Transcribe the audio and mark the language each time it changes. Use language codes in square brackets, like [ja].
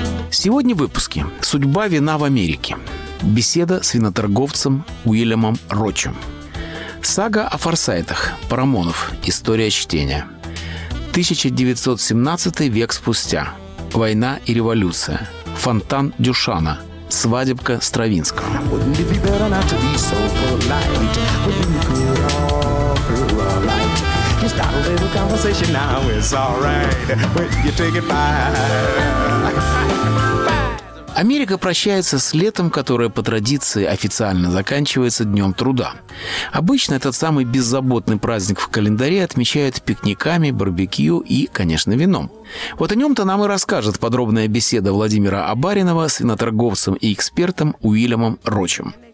[ru] Сегодня в выпуске «Судьба вина в Америке». Беседа с виноторговцем Уильямом Рочем. Сага о форсайтах. Парамонов. История чтения. 1917 век спустя. Война и революция. Фонтан Дюшана. Свадебка Стравинского. [en] Wouldn't it be better not to be so polite? Wouldn't you could offer a light? Just got a little conversation now, it's all right. But you take it back. [ru] Америка прощается с летом, которое по традиции официально заканчивается Днем труда. Обычно этот самый беззаботный праздник в календаре отмечают пикниками, барбекю и, конечно, вином. Вот о нем-то нам и расскажет подробная беседа Владимира Абаринова с виноторговцем и экспертом Уильямом Рочем.